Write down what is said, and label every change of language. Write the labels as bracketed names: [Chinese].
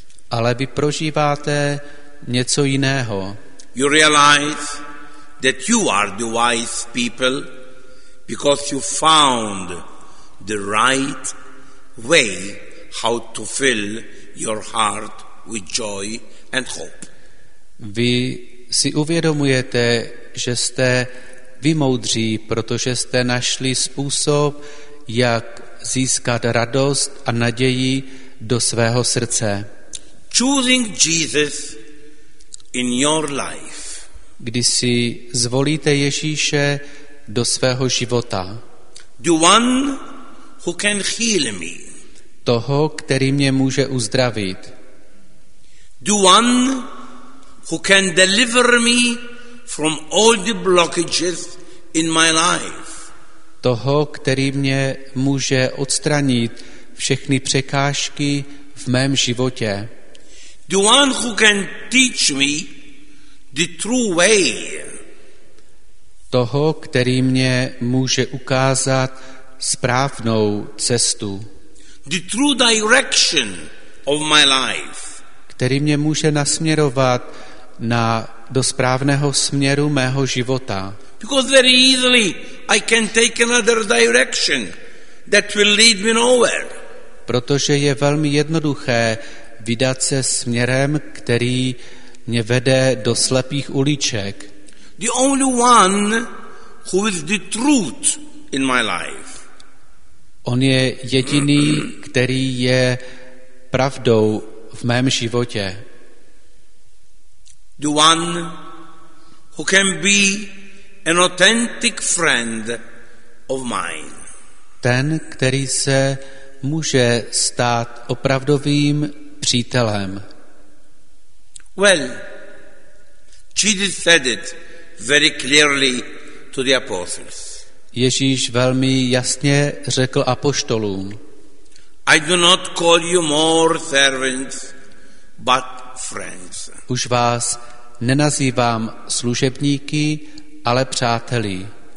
[Czech] Ale vy prožíváte něco jiného. [English] You realize that you are the wise people because you found the right way how to fill your heart with joy and hope. [Czech] Vy si uvědomujete, že jste vy moudří, protože jste našli způsob, jak získat radost a naději do svého srdce. [English] Choosing Jesus in your life. [Czech] Když si zvolíte Ježíše do svého života. [English] The one who can heal me. [Czech] Toho, který mě může uzdravit. [English] The one who can deliver me from all the blockages in my life. [Czech] Toho, který mě může odstranit všechny překážky v mém životě. [English] The one who can teach me the true way. [Czech] Toho, který mě může ukázat správnou cestu. [English] The true direction of my life. [Czech] Který mě může nasměrovat do správného směru mého života. [English] Because very easily I can take another direction that will lead me nowhere. [Czech] Protože je velmi jednoduché vydat se směrem, který mě vede do slepých uliček. [English] The only one who is the truth in my life. [Czech] On je jediný, který je pravdou v mém životě. [English] The one who can be an authentic friend of mine. [Czech] Ten, který se může stát opravdovým přítelem. [English] Well, Jesus said it very clearly to the apostles. [Czech] Ježíš velmi jasně řekl apoštolům. [English] I do not call you more servants, but friends. [Czech] Už vás nenazývám služebníky, ale přáteli.